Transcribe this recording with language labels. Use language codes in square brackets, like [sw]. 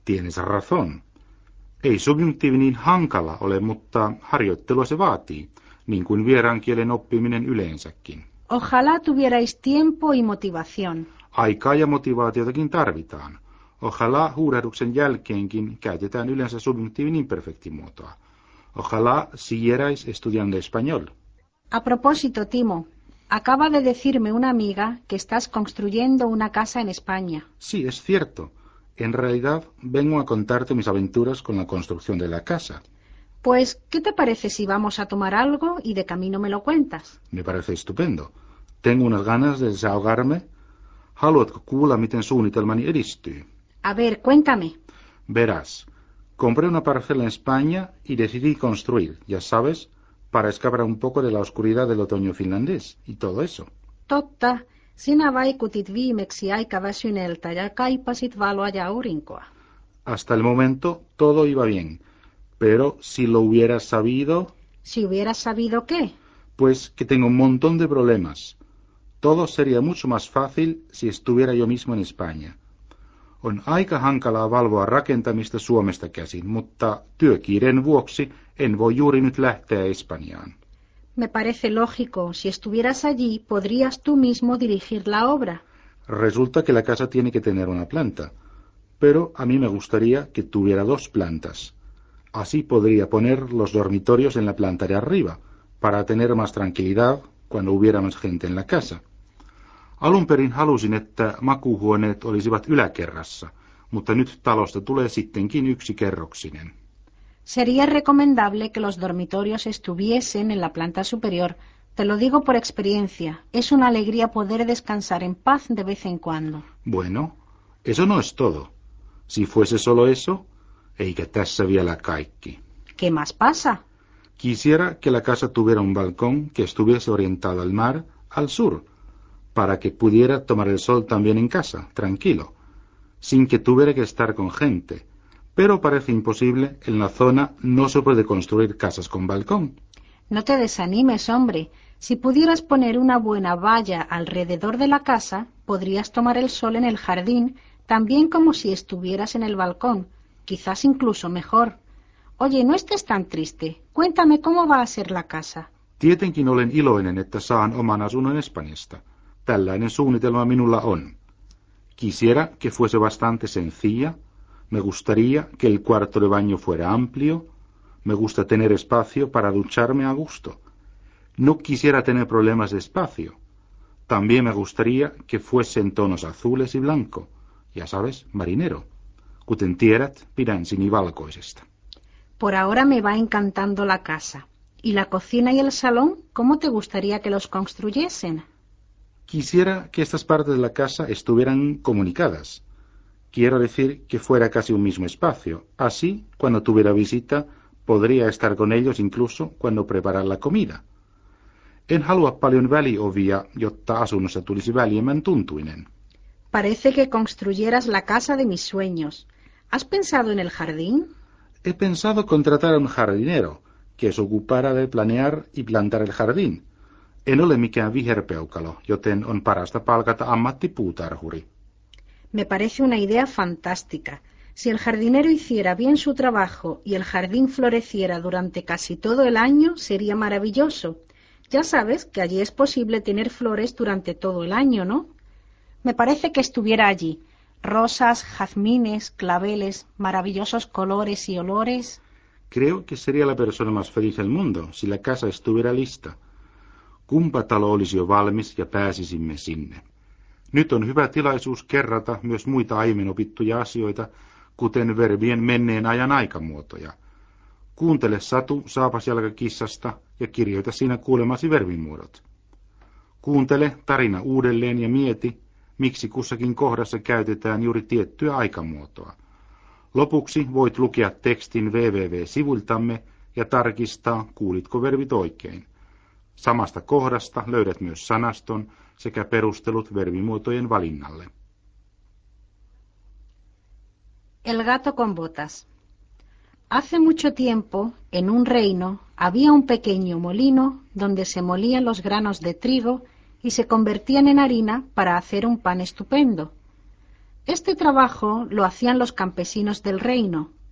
[es] Tienes razón. [fi] Ei subjuntivi niin hankala ole, mutta harjoittelua se vaatii, niin kuin vieraan kielen oppiminen yleensäkin. [es] Ojalá tuvierais tiempo y motivación. [fi] Aikaa ja motivaatiotakin tarvitaan. Ojalá huudahduksen jälkeenkin käytetään yleensä subjuntivin imperfektimuotoa. [es] Ojalá siguierais estudiando español. A propósito, Timo. Acaba de decirme una amiga que estás construyendo una casa en España. Sí, es cierto. En realidad, vengo a contarte mis aventuras con la construcción de la casa. Pues, ¿qué te parece si vamos a tomar algo y de camino me lo cuentas? Me parece estupendo. Tengo unas ganas de desahogarme. [fi] ¿Haluatko kuulla, miten suunnitelmani edistyy? [es] A ver, cuéntame. Verás, compré una parcela en España y decidí construir, ya sabes, para escapar un poco de la oscuridad del otoño finlandés y todo eso. [fi] Totta, sinä vaikutit viimeksi aika väsyneeltä ja kaipasit valoa ja aurinkoa. [es] Hasta el momento todo iba bien, pero si lo hubiera sabido... Si hubiera sabido qué? Pues que tengo un montón de problemas. Todo sería mucho más fácil si estuviera yo mismo en España. [fi] On aika hankalaa valvoa rakentamista Suomesta käsin, mutta työkiireen vuoksi en voi juuri nyt lähteä Espanjaan. [es] Me parece lógico. Si estuvieras allí, podrías tú mismo dirigir la obra. Resulta que la casa tiene que tener una planta. Pero a mí me gustaría que tuviera dos plantas. Así podría poner los dormitorios en la planta de arriba, para tener más tranquilidad cuando hubiera más gente en la casa. [fi] Alun perin halusin, että makuuhuoneet olisivat yläkerrassa, mutta nyt talosta tulee sittenkin yksi kerroksinen. [es] Sería recomendable que los dormitorios estuviesen en la planta superior. Te lo digo por experiencia. Es una alegría poder descansar en paz de vez en cuando. Bueno, eso no es todo. Si fuese solo eso, [fi] eikä tässä vielä kaikki. [es] ¿Qué más pasa? Quisiera que la casa tuviera un balcón que estuviese orientado al mar, al sur, para que pudiera tomar el sol también en casa, tranquilo, sin que tuviera que estar con gente. Pero parece imposible, en la zona no se puede construir casas con balcón. No te desanimes, hombre. Si pudieras poner una buena valla alrededor de la casa, podrías tomar el sol en el jardín, también como si estuvieras en el balcón, quizás incluso mejor. Oye, no estés tan triste. Cuéntame cómo va a ser la casa. [fi] Tietenkin olen iloinen, että saan oman asunnon Espanjasta. Tällainen suunnitelma minulla on. [es] Quisiera que fuese bastante sencilla. Me gustaría que el cuarto de baño fuera amplio. Me gusta tener espacio para ducharme a gusto. No quisiera tener problemas de espacio. También me gustaría que fuese en tonos azules y blanco. Ja sabes, marinero. [fi] Kuten tiedät, pidän sinivalkoisesta. [es] Por ahora me va encantando la casa. ¿Y la cocina y el salón? ¿Cómo te gustaría que los construyesen? Quisiera que estas partes de la casa estuvieran comunicadas. Quiero decir que fuera casi un mismo espacio. Así, cuando tuviera visita, podría estar con ellos incluso cuando preparar la comida. [fi] En halua paljon väliovia, jotta asunnossa tulisi väljemmän tuntuinen. [es] Parece que construyeras la casa de mis sueños. ¿Has pensado en el jardín? He pensado contratar a un jardinero que se ocupara de planear y plantar el jardín. [fi] En ole mikään viherpeukalo, joten on parasta palkata ammattipuutarhuri. [es] Me parece una idea fantástica. Si el jardinero hiciera bien su trabajo y el jardín floreciera durante casi todo el año, sería maravilloso. Ya sabes que allí es posible tener flores durante todo el año, ¿no? Me parece que estuviera allí. Rosas, jazmines, claveles, maravillosos colores y olores. Creo que sería la persona más feliz del mundo si la casa estuviera lista. [fi] Kumpa talo olisi jo valmis ja pääsisimme sinne. Nyt on hyvä tilaisuus kerrata myös muita aiemmin opittuja asioita, kuten verbien menneen ajan aikamuotoja. Kuuntele Satu saapasjalkakissasta ja kirjoita siinä kuulemasi verbimuodot. Kuuntele tarina uudelleen ja mieti, miksi kussakin kohdassa käytetään juuri tiettyä aikamuotoa. Lopuksi voit lukea tekstin www-sivuiltamme ja tarkistaa, kuulitko verbit oikein. Samasta kohdasta löydät myös sanaston sekä perustelut verbimuotojen valinnalle. [es] El gato con botas. Hace mucho tiempo, en un reino, había un pequeño molino donde se molían los granos de trigo y se convertían en harina para hacer un pan estupendo. Este trabajo lo hacían los campesinos del reino.